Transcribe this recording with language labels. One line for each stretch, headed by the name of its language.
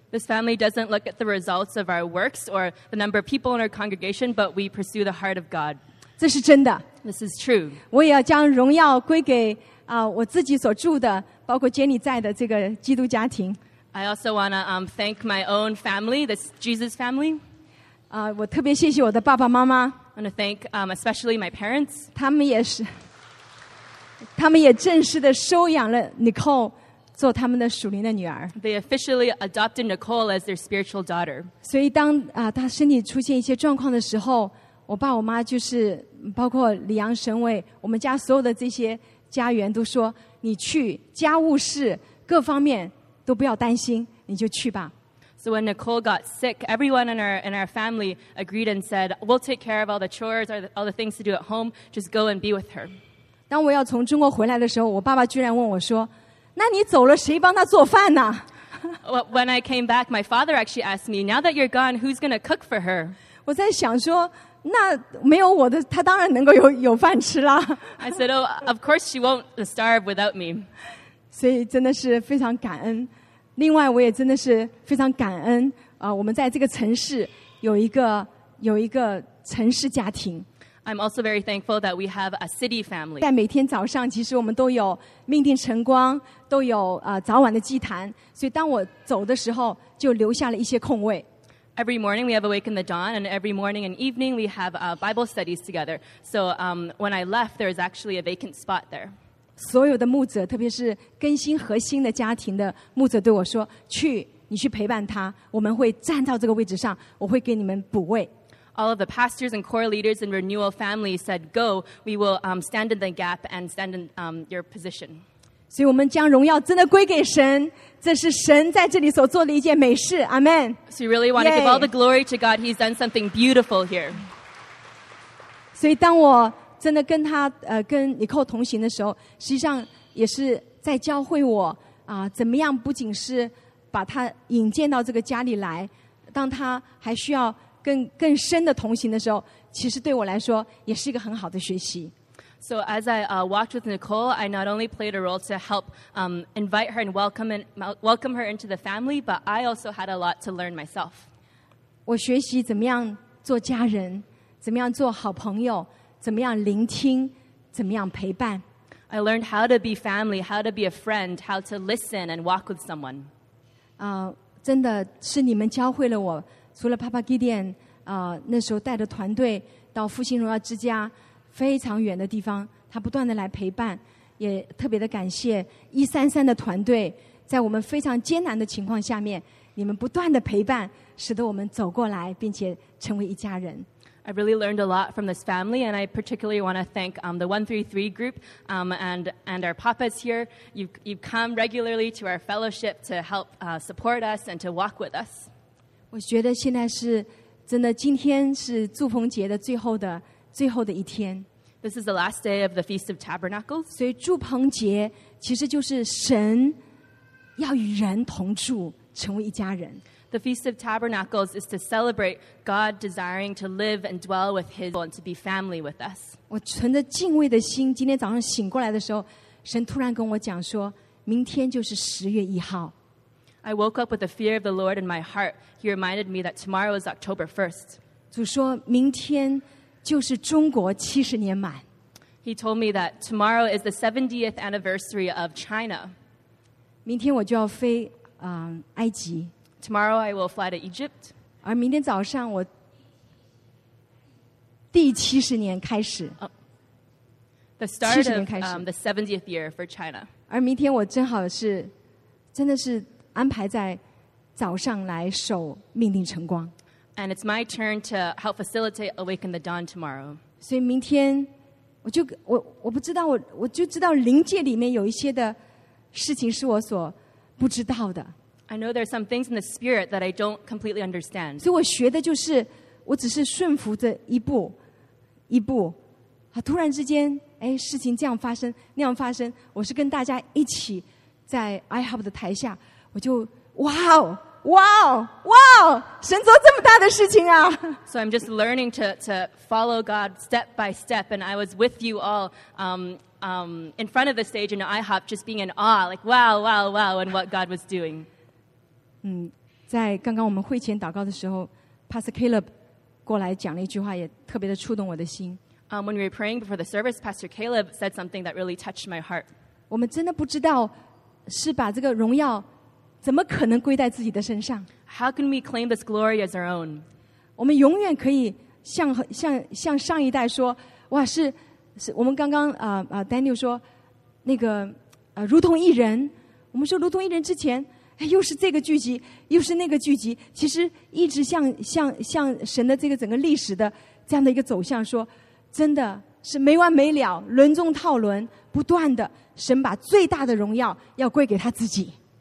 English: This family doesn't look at the results of our works or the number of people in our congregation, but we pursue the heart of God.
Chinese: 这是真的。
English: This is true.
Chinese: 我也要将荣耀归给 我自己所住的, 包括Jenny在的这个基督家庭。
English: I also want to thank my own family, this Jesus family.
Chinese: 我特别谢谢我的爸爸妈妈。
English: I want to thank especially my parents.
Chinese: 他们也正式地收养了Nicole。做他们的属灵的女儿。
English: They officially adopted Nicole as their spiritual daughter.
Chinese: 所以当 她身体出现一些状况的时候, 我爸我妈就是, 包括李阳神伟, 我们家所有的这些家园都说, 你去, 家务事, 各方面, 都不要担心, 你就去吧。
English: So when Nicole got sick, everyone in our family agreed and said, we'll take care of all the chores, all the things to do at home, just go and be with her.
Chinese: 当我要从中国回来的时候, 我爸爸居然问我说, 那你走了谁帮她做饭呢?
English: When I came back, my father actually asked me, now that you're gone, who's going to cook for her?
Chinese: 我在想说, 那没有我的, 她当然能够有饭吃啦。
English: I said, oh, of course she won't starve without me.
Chinese: 所以真的是非常感恩。另外我也真的是非常感恩, 我们在这个城市有一个城市家庭。
English: I'm also very thankful that we have a city family.
Chinese: 在每天早上，其实我们都有命定晨光，都有早晚的祭坛，所以当我走的时候，就留下了一些空位。
English: Every morning we have awakened the dawn, and every morning and evening we have Bible studies together. So when I left, there is actually a vacant spot there.
Chinese: 所有的牧者，特别是更新核心的家庭的牧者对我说，去，你去陪伴他，我们会站到这个位置上，我会给你们补位。
English: All of the pastors and core leaders and renewal family said, go, we will stand in the gap and stand in your position.
Chinese: 所以我们将荣耀真的归给神，这是神在这里所做的一件美事。
English: Amen. So you really want to give all the glory to God. He's done something beautiful here.
Chinese: 所以当我真的跟他跟Nicole同行的时候，实际上也是在教会我怎么样不仅是把他引荐到这个家里来，当他还需要更深的同行的时候，其实对我来说也是一个很好的学习。
English: So as I walked with Nicole, I not only played a role to help invite her and welcome her into the family, but I also had a lot to learn myself.
Chinese: 我学习怎么样做家人，怎么样做好朋友，怎么样聆听，怎么样陪伴。
English: I learned how to be family, how to be a friend, how to listen and walk with someone.
Chinese: 真的是你们教会了我。除了 Papa Gideon, 那时候带着团队到复兴荣耀之家非常远的地方，他不断地来陪伴，也特别的感谢133的团队，在我们非常艰难的情况下面，你们不断地陪伴，使得我们走过来，并且成为一家人。
English: I really learned a lot from this family, and I particularly want to thank the 133 group and our papas here. You've come regularly to our fellowship to help support us and to walk with us.
Chinese: 我觉得现在是真的，今天是祝棚节的最后的一天。
English: This is the last day of the Feast of Tabernacles.
Chinese: 所以祝棚节其实就是神要与人同住，成为一家人。
English: The Feast of Tabernacles is to celebrate God desiring to live and dwell with His people and to be family with us.
Chinese: 我存着敬畏的心，今天早上醒过来的时候，神突然跟我讲说，明天就是10月1号。
English: I woke up with the fear of the Lord in my heart. He reminded me that tomorrow is October 1st.
Chinese: 主说明天就是中国70年满。
English: He told me that tomorrow is the 70th anniversary of China.
Chinese: 明天我就要飞埃及。
English: Tomorrow I will fly to Egypt.
Chinese: 而明天早上我第70年开始。
English: The start of the 70th year for China.
Chinese: 而明天我正好是真的是安排在早上来守命定晨光。
English: And it's my turn to help facilitate Awaken the Dawn tomorrow.
Chinese: 所以明天我不知道，我就知道灵界里面有一些的事情是我所不知道的。
English: I know there are some things in the spirit that I don't completely understand.
Chinese: 所以我学的就是，我只是顺服着一步一步，突然之间，哎，事情这样发生，那样发生，我是跟大家一起在 iHub 的台下，我就哇哦，哇哦，哇哦，神做这么大的事情啊！
English: So I'm just learning to follow God step by step, and I was with you all in front of the stage in iHub, just being in awe, like wow, wow, wow, and what God was doing.
Chinese: 在刚刚我们会前祷告的时候 ，Pastor Caleb 过来讲了一句话，也特别的触动我的心。
English: When we were praying before the service, Pastor Caleb said something that really touched my heart.
Chinese: 我们真的不知道是把这个荣耀怎么可能归在自己的身上
English: ？How can we claim this glory as our own？
Chinese: 我们永远可以像上一代说，哇，是我们刚刚Daniel 说那个如同一人。我们说如同一人之前，又是这个聚集，又是那个聚集，其实一直像神的这个整个历史的这样的一个走向说，说真的是没完没了，轮中套轮，不断的神把最大的荣耀要归给他自己。